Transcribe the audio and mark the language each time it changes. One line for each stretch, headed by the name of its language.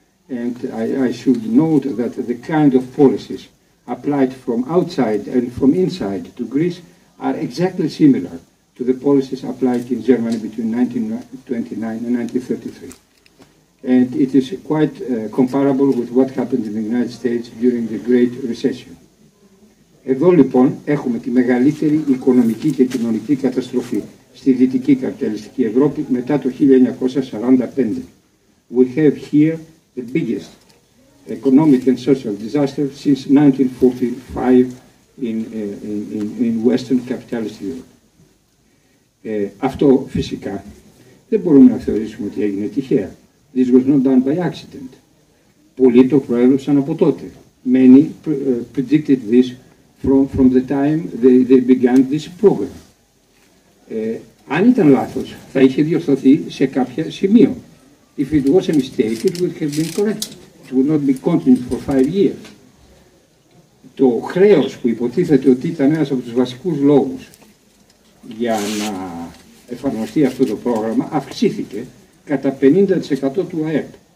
English: And I should note that the kind of policies applied from outside and from inside to Greece are exactly similar to the policies applied in Germany between 1929 and 1933. And it is quite comparable with what happened in the United States during the Great Recession.
Greek: Εδώ λοιπόν έχουμε τη μεγαλύτερη οικονομική και κοινωνική καταστροφή στη δυτική καπιταλιστική Ευρώπη μετά το 1945.
English: We have here the biggest economic and social disaster since 1945 in Western capitalist Europe.
Greek: Αυτό φυσικά δεν μπορούμε να θεωρήσουμε ότι έγινε τυχαία.
English: This was not done by accident.
Greek: Πολλοί το προέβλεψαν από τότε.
English: Many predicted this from the time they began this program.
Greek: Αν ήταν λάθος, θα είχε διορθωθεί σε κάποιο σημείο.
English: If it was a mistake, it would have been corrected. It would not be continued for 5 years.
Greek: Το χρέος που υποτίθεται ότι ήταν ένας από τους βασικούς λόγους για να εφαρμοστεί αυτό το πρόγραμμα αυξήθηκε κατά 50% του ΑΕΠ.